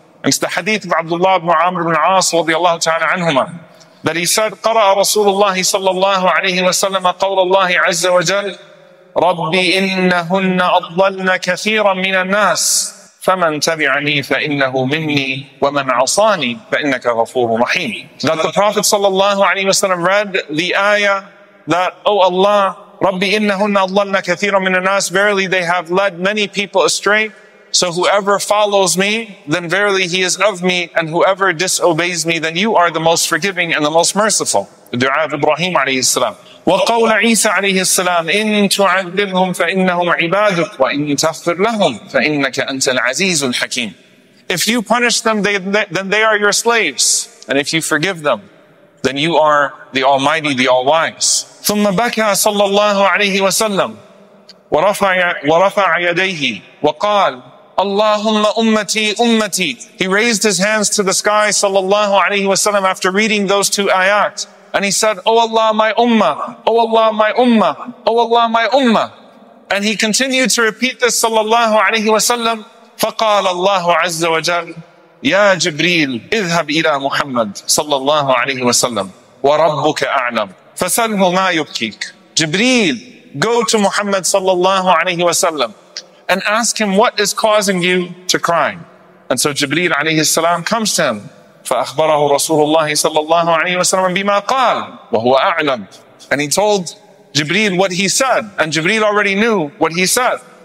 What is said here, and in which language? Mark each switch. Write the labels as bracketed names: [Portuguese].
[English] It's the hadith of Abdullah ibn Amr ibn As radiallahu ta'ala anhumah, that he said, [Arabic] قرأ رسول الله صلى الله عليه وسلم قول الله عز وجل ربي إنهن أضلن كثيرا من الناس فمن تبعني فإنه مني ومن عصاني فإنك غفور رحيم. [English] That the Prophet صلى الله عليه وسلم read the ayah that, O Allah, [Arabic] ربي إنهن أضلن كثيرا من الناس, [English] verily they have led many people astray, so whoever follows me, then verily he is of me, and whoever disobeys me, then you are the most forgiving and the most merciful. The dua of Ibrahim alayhi salam. [Arabic] وقول عيسى عليه السلام إن تعذبهم فإنهم عبادك وإن تغفر لهم فإنك أنت العزيز الحكيم. [English] If you punish them, then they are your slaves. And if you forgive them, then you are the Almighty, the All-Wise. [Arabic] ثم بكى صلى الله عليه وسلم ورفع يديه وقال اللهم أمتي أمتي. [English] He raised his hands to the sky sallallahu alayhi wa sallam after reading those two ayat. And he said, O Allah, my ummah, O Allah, my ummah, O Allah, my ummah. And he continued to repeat this sallallahu alayhi wa sallam. [Arabic] فقال الله عز وجل يا جبريل اذهب إلى محمد sallallahu alayhi wa sallam وربك أعلم فسله ما يبكيك. [English] جبريل, go to Muhammad sallallahu alayhi wa sallam and ask him what is causing you to cry. And so Jibreel alayhi salam comes to him. [Arabic] فَأَخْبَرَهُ رَسُولُ اللَّهِ صَلَى اللَّهُ عَلَيْهِ وَسَلَمَ بِمَا قَالَ وَهُوَ أَعْلَمُ. [English] And he told Jibreel what he said. And Jibreel already knew what he said.